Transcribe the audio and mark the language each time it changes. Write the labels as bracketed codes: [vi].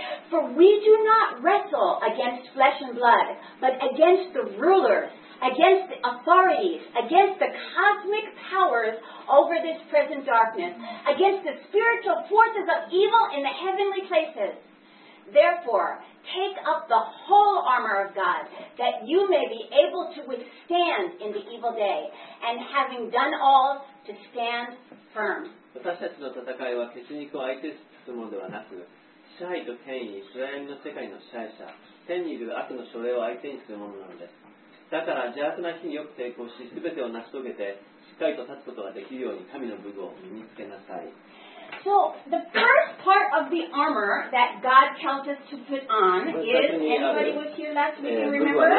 [en] For we do not wrestle against flesh and blood, but against the rulers, against the authorities, against the cosmic powers over this present darkness, against the spiritual forces of evil in the heavenly places. Therefore, take up the whole armor of God, that you may be able to withstand in the evil day, and having done all, to stand firm. [ja] 私たちの戦いは血肉を相手に進むのではなく、支配と権威、イスラエルの世界の支配者、天にいる悪の将来を相手にするものなのです。だから邪悪な日によく抵抗し、すべてを成し遂げて、しっかりと立つことができるように神の武具を身につけなさい。 [en] So, the first part of the armor that God tells us to put on is, anybody was here last week, you remember?